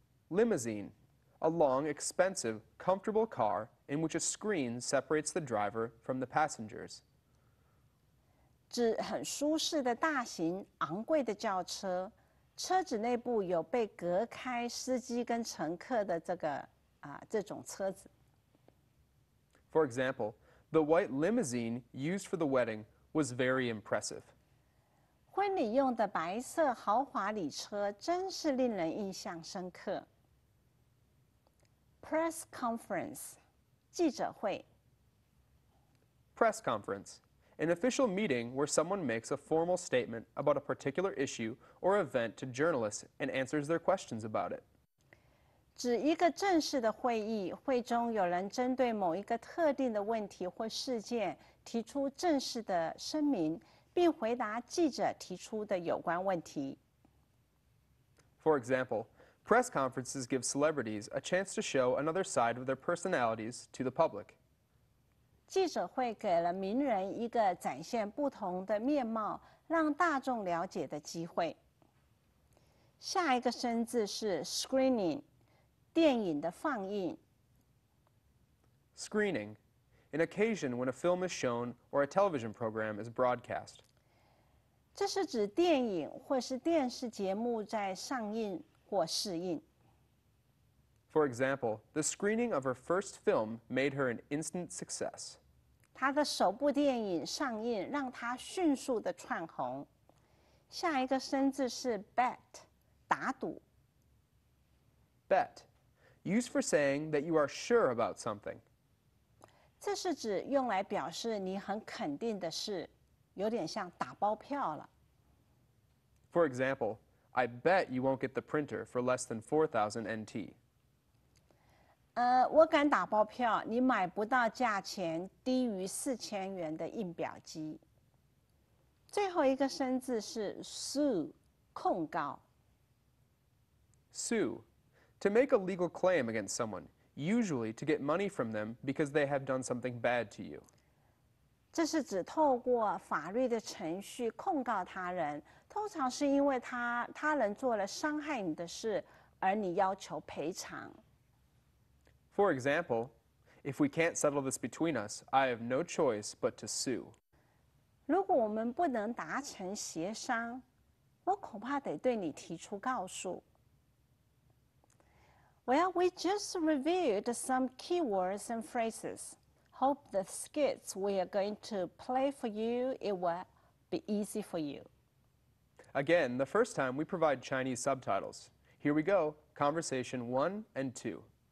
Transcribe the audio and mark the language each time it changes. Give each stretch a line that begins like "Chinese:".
English: Limousine, a long, expensive, comfortable car in which a screen separates the driver from the passengers.
Chinese: 指很舒适的大型昂贵的轿车，车子内部有被隔开司机跟乘客的这种车子。
English: For example, the white limousine used for the wedding was very impressive.
Chinese: 婚礼用的白色豪华礼车真是令人印象深刻。
English: Press conference,
Chinese: 记者会。
English: Press conference, an official meeting where someone makes a formal statement about a particular issue or event to journalists and answers their questions about it.
Chinese: 指一个正式的会议，会中有人针对某一个特定的问题或事件提出正式的声明，并回答记者提出的有关问题。
English: For example,Press conferences give celebrities a chance to show another side of their personalities to the public.
Chinese: 记者会给了名人一个展现不同的面貌，让大众了解的机会。下一个生字是 screening, 电影的放映。
English: Screening, an occasion when a film is shown or a television program is broadcast.
Chinese: 这是指电影或是电视节目在上映。
English: For example, the screening of her first film made her an instant success.
Chinese: 她的首部电影上映让她迅速地窜红。下一个生字是 bet, 打赌。
English: Bet, used for saying that you are sure about something.
Chinese: 这是指用来表示你很肯定的事，有点像打包票了。
English: For example,I bet you won't get the printer for less than 4,000 NT.
Chinese: 我敢打包票，你买不到价钱低于4,000元的印表机。最后一个生字是 sue, 控告。
English: Sue, to make a legal claim against someone, usually to get money from them because they have done something bad to you.
Chinese: 这是指透过法律的程序控告他人。通常是因为他人做了伤害你的事，而你要求赔偿。
English: For example, if we can't settle this between us, I have no choice but to sue.
Chinese: 如果我们不能达成协商，我恐怕得对你提出告诉。
English: Well, we just reviewed some keywords and phrases. Hope the skits we are going to play for you, it will be easy for you. Again, the first time we provide Chinese subtitles. Here we go, conversation one and two.